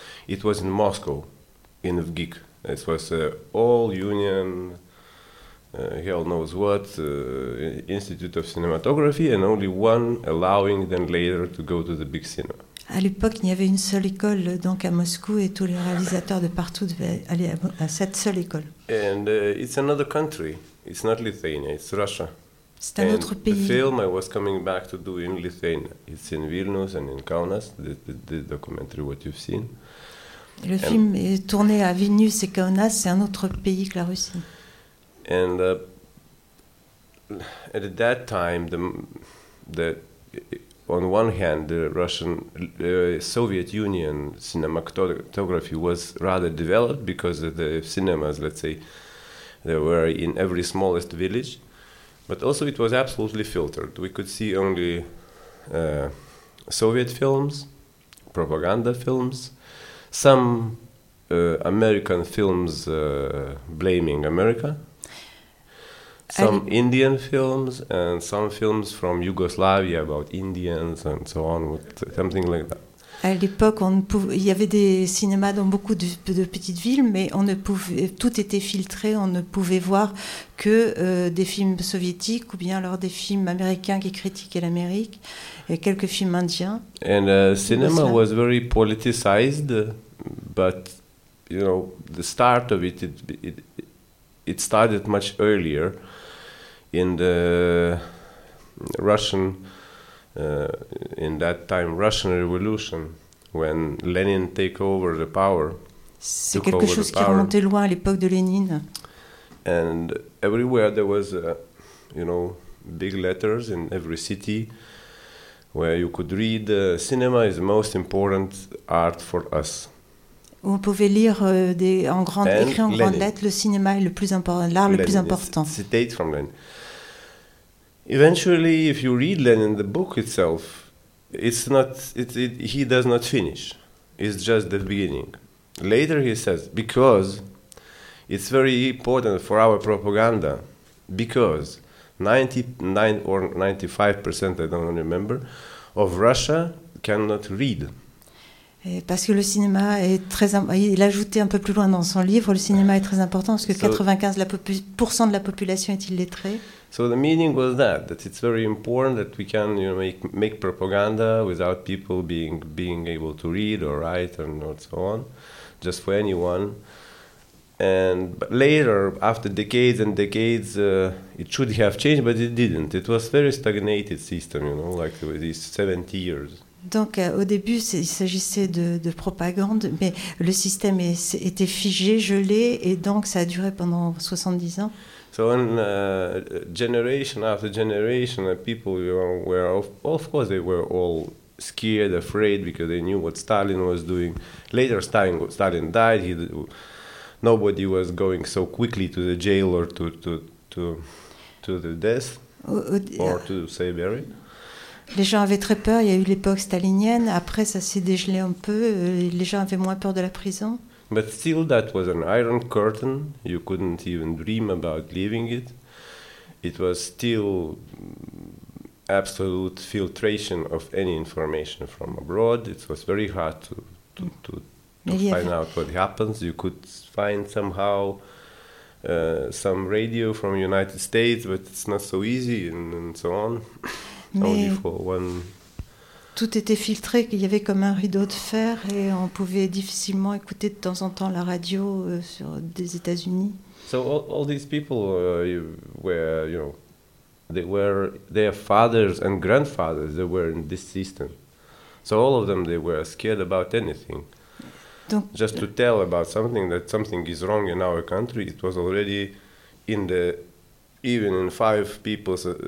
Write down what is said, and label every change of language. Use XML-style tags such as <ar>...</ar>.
<en>It was in Moscow, in VGIK. It was all union, hell knows what, Institute of Cinematography, and only one allowing then later to go to the big cinema.</en> <fr>À l'époque, il n'y avait une seule école donc à Moscou, et tous les réalisateurs de partout devaient aller à cette seule école.</fr> <en>And it's another country. It's not Lithuania. It's Russia.</en> <fr>C'est un autre pays.</fr> <en>The film I was coming back to do in Lithuania. It's in Vilnius and in Kaunas. The documentary what you've seen.</en> <fr>Le film est tourné à Vilnius et Kaunas, c'est un autre pays que la Russie.</fr> <en>And at that time, the on one hand, the Russian Soviet Union cinematography was rather developed because of the cinemas, let's say, they were in every smallest village, but also it was absolutely filtered. We could see only Soviet films, propaganda films. Some American films blaming America, some Indian films, and some films from Yugoslavia about Indians and so on, something like that.</en> <fr>À l'époque, il y avait des cinémas dans beaucoup de petites villes, mais tout était filtré, on ne pouvait voir que des films soviétiques ou bien alors des films américains qui critiquaient l'Amérique, et quelques films indiens.</fr> <en>And cinema was very politicized. But you know, the start of it started much earlier in the Russian in that time Russian Revolution, when Lenin take over the power.</en> <fr>C'est quelque chose qui remontait loin à l'époque de Lénine.</fr> <en>And everywhere there was you know, big letters in every city where you could read cinema is the most important art for us.</en> <fr>On pouvait lire écrit en grandes lettres, le cinéma est le plus important, l'art Lenin, le plus important.</fr> <en>Citate from Lenin. Eventually, if you read Lenin, the book itself, he does not finish. It's just the beginning. Later he says, because it's very important for our propaganda, because 99 or 95%, I don't remember, of Russia cannot read.</en> <fr>Parce que le cinéma est très important, il a ajouté un peu plus loin dans son livre, le cinéma est très important parce que 95% de la population est illettrée.</fr> <en>So the meaning was that it's very important that we can, you know, make propaganda without people being able to read or write and or so on, just for anyone. And later, after decades and decades, it should have changed, but it didn't. It was very stagnated system, you know, like these 70 years.</en> <fr>Donc au début, il s'agissait de propagande, mais le système était figé, gelé, et donc ça a duré pendant 70 ans.</fr> <en>So in generation after generation, people were of course they were all scared, afraid, because they knew what Stalin was doing. Later, Stalin died. Nobody was going so quickly to the jail or to the death or to Siberia.</en> <fr>Les gens avaient très peur, il y a eu l'époque stalinienne, après ça s'est dégelé un peu, les gens avaient moins peur de la prison.</fr> <en>But still that was an iron curtain, you couldn't even dream about leaving it. It was still absolute filtration of any information from abroad. It was very hard to find out what happens. You could find somehow some radio from the United States, but it's not so easy and so on.</en> <fr>Mais tout était filtré, il y avait comme un rideau de fer et on pouvait difficilement écouter de temps en temps la radio sur des États-Unis.</fr> <en>So all these people were, you know, they were their fathers and grandfathers, they were in this system. So all of them, they were scared about anything.</en> <fr>Donc,</fr> <en>just to tell about something, that something is wrong in our country, it was already in the, even in five people's...</en>